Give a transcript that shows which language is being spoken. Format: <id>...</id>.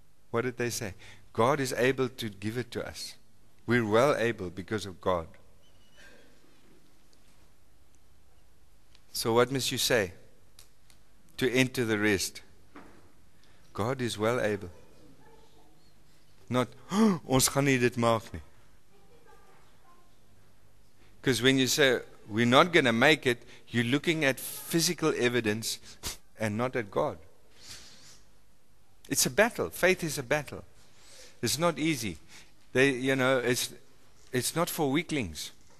<en>What did they say? God is able to give it to us. We're well able because of God. So what must you say to enter the rest? God is well able.</en> <af>Not, ons gaan nie dit maak nie.</af> <en>Because when you say, we're not going to make it, you're looking at physical evidence and not at God. It's a battle. Faith is a battle. It's not easy. It's not for weaklings.</en>